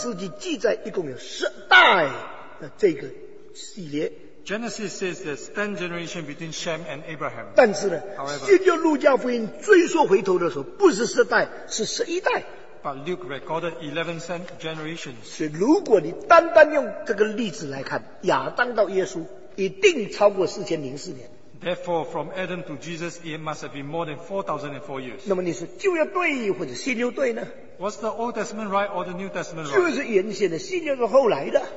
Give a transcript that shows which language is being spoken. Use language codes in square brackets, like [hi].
[zh] 因为从闪到亚伯拉罕在创世纪记载一共有10代的这个。系列 [en] Genesis says there's 10 generations between Shem and Abraham. [zh] 但是呢, [en] however, [zh] 新约路加福音追溯回头的时候不是10代，是11代。 [en] But Luke recorded 11 generations. [zh] 所以如果你单单用这个例子来看，亚当到耶稣一定超过4004年。 [en] Therefore, from Adam to Jesus, it must have been more than 4,004 years. [zh] 那么你是旧约对或者新约对呢？ [en] Was the Old Testament right or the New Testament right? [zh] 就是原先的，新约是后来的。